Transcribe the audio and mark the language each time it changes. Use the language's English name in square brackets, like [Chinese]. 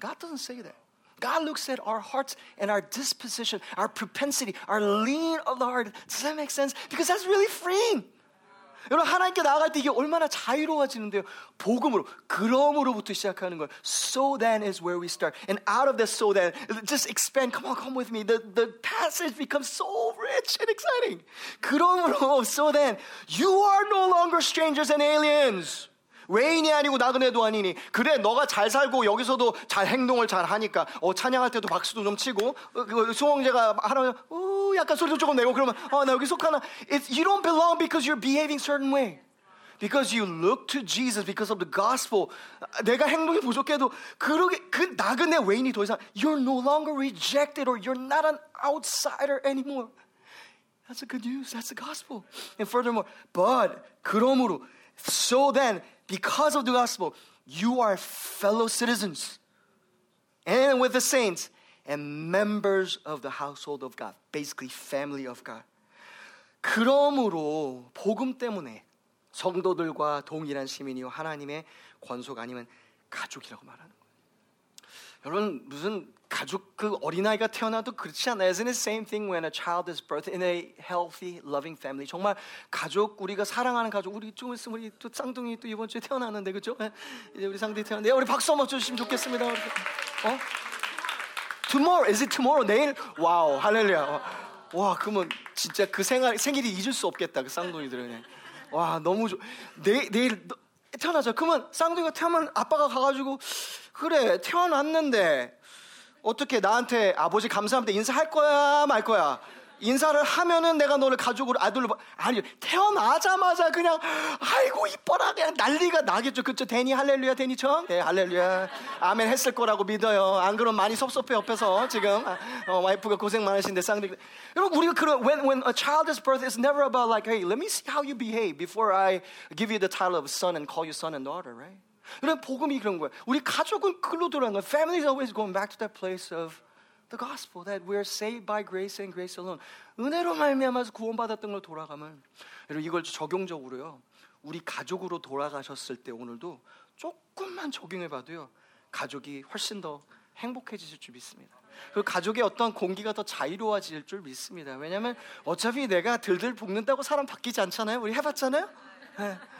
[English] God doesn't say that. God looks at our hearts and our disposition, our propensity, our lean of the heart. Does that make sense? Because that's really freeing. [Korean] 여러분 하나님께 나아갈 때 이게 얼마나 자유로워지는데요. 복음으로, 그럼으로부터 시작하는 거예요. [English] So then is where we start. And out of this so then, just expand. Come on, come with me. The passage becomes so rich and exciting. [Korean] 그럼으로, [English] so then, you are no longer strangers and aliens. [Korean] 외인이 아니고 나그네도 아니니 그래 너가 잘 살고 여기서도 잘 행동을 잘 하니까 찬양할 때도 박수도 좀 치고 수홍제가 하라고 약간 소리도 조금 내고 그러면 나 여기 속하나 [English] It's, You don't belong because you're behaving certain way Because you look to Jesus because of the gospel [Korean] 내가 행동이 부족해도 그러게 그 나그네 외인이 더 이상 [English] You're no longer rejected or you're not an outsider anymore That's the good news, that's the gospel And furthermore, but [Korean] 그러므로 [English] So then Because of the gospel, you are fellow citizens and with the saints and members of the household of God, basically family of God. [Korean] 그러므로 복음 때문에 성도들과 동일한 시민이요 하나님의 권속 아니면 가족이라고 말하는 거예요. 여러분 무슨 가족 그 어린아이가 태어나도 그렇지 않아요? Isn't it the same thing when a child is birthed in a healthy, loving family? 정말 가족, 우리가 사랑하는 가족, 우리 좀 있으면 우리 또 쌍둥이 또 이번 주에 태어나는데, 그죠? 이제 우리 쌍둥이 태어났는데, 우리 박수 한번 주시면 좋겠습니다. 어? [English] Tomorrow, is it tomorrow? [Korean] 내일? 와우, 할렐루야. 와, 그러면 진짜 그 생활, 생일이 잊을 수 없겠다, 그 쌍둥이들은. 그냥. 와, 너무 내일 태어나자. 그러면 쌍둥이가 태어나면 아빠가 가가지고, 그래, 태어났는데, 어떻게 나한테 아버지 감사합니다 인사할 거야 말 거야 인사를 하면은 내가 너를 가족으로 아들로 아니 태어나자마자 그냥 아이고 이뻐라 그냥 난리가 나겠죠 그쵸 데니 할렐루야 데니 청 네 할렐루야 아멘 했을 거라고 믿어요 안 그럼 많이 섭섭해 옆에서 지금 와이프가 고생 많으신데 쌍둥이 여러분 우리가 그런 [English] when a child is birthed it's never about like hey let me see how you behave before I give you the title of son and call you son and daughter right [Korean] 그런 복음이 그런 거야. 우리 가족은 글로 돌아간 거야. [English] Family is always going back to that place of the gospel that we're saved by grace and grace alone. [Korean] 은혜로 말미암아서 구원받았던 걸 돌아가면 여러분 이걸 적용적으로요. 우리 가족으로 돌아가셨을 때 오늘도 조금만 적용해봐도요. 가족이 훨씬 더 행복해지실 줄 믿습니다. 그 가족의 어떤 공기가 더 자유로워질 줄 믿습니다. 왜냐하면 어차피 내가 들들 볶는다고 사람 바뀌지 않잖아요. 우리 해봤잖아요. 네.